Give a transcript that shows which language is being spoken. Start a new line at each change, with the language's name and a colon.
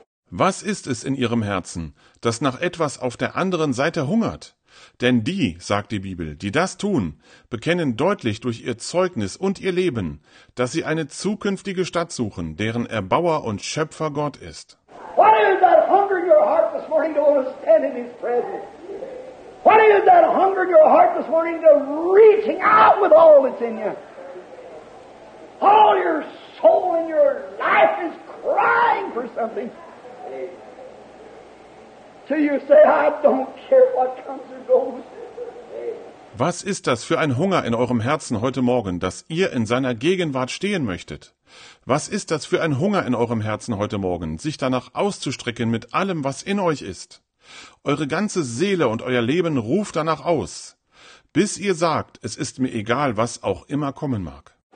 German: Was ist es in ihrem Herzen, das nach etwas auf der anderen Seite hungert? Denn die, sagt die Bibel, die das tun, bekennen deutlich durch ihr Zeugnis und ihr Leben, dass sie eine zukünftige Stadt suchen, deren Erbauer und Schöpfer Gott ist.
English: What is that hunger in your heart this morning to understand in his presence? What is that hunger in your heart this morning to reaching out with all that's in you? All your soul and your life is crying for something. Till you say, I don't care what comes or goes.
German: Was ist das für ein Hunger in eurem Herzen heute Morgen, dass ihr in seiner Gegenwart stehen möchtet? Was ist das für ein Hunger in eurem Herzen heute Morgen, sich danach auszustrecken mit allem, was in euch ist? Eure ganze Seele und euer Leben ruft danach aus, bis ihr sagt, es ist mir egal, was auch immer kommen mag.